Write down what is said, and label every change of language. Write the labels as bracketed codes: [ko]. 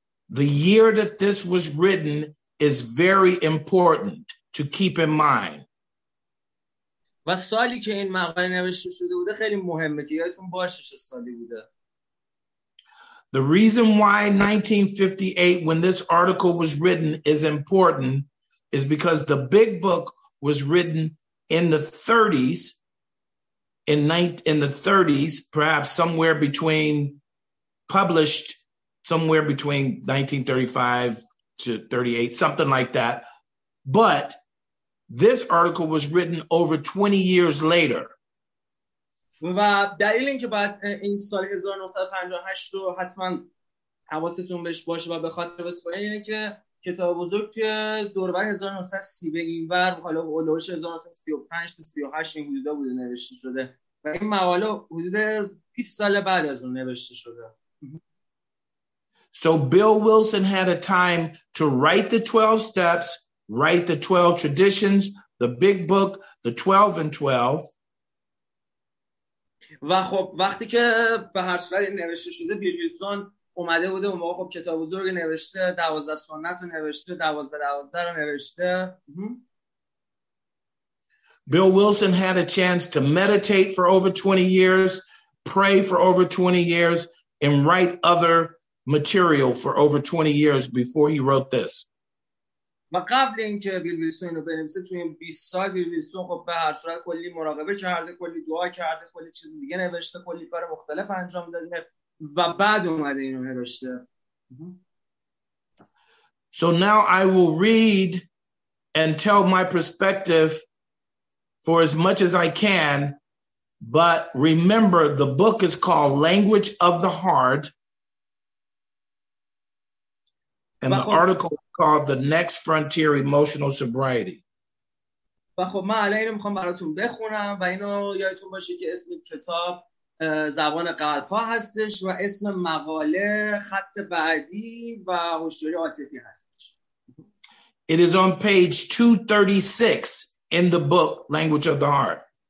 [en] The year that this was written is very important to keep in mind. [fa] و سالی که این مقاله نوشته شده بوده خیلی مهمه که یادتون باشه چه سالی بوده. [en] The reason why 1958 when this article was written is important is because the big book was written in the 30s, in the 30s, perhaps somewhere between, published somewhere between 1935 to 38, something like that. But this article was written over 20 years later. [fa] و دلیل اینکه بعد این سال 1958 رو حتما حواستون بهش باشه و به خاطر بسپاره اینه که کتاب بزرگ توی دوربر 1930 به این ور، حالا اولوش 1935 تا 38 این حدودا بوده نوشته شده و این مقاله حدود 20 سال بعد از اون نوشته شده. [en] So Bill Wilson had a time to write the 12 steps, write the 12 traditions, the big book, the 12 and 12. [fa] و خب وقتی که به هر صورت نوشته شده بیل ویلسون اومده بوده اون موقع خب کتاب بزرگ نوشته، 12 سنت رو نوشته، 12 رو نوشته. [en] Bill Wilson had a chance to meditate for over 20 years, pray for over 20 years and write other material for over 20 years before he wrote this. [fa] و قبل اینکه بیل ویلسون اینو بنویسه توی این 20 سال بیل ویلسون خب به هر صورت کلی مراقبه کرده، کلی دعا کرده، کلی چیز دیگه نوشته، کلی کار مختلف انجام داده و بعد اومده اینو نوشته. [en] So now I will read and tell my perspective for as much as I can, but remember the book is called Language of the Heart. And the article is called The Next Frontier Emotional Sobriety. [fa] و خب من الان اینو میخوام براتون بخونم و اینو یادتون باشه که اسم کتاب زبان قلب ها هستش و اسم مقاله خط بعدی و هوشیاری عاطفی هستش. [en] It is on page 236 in the book Language of the Heart.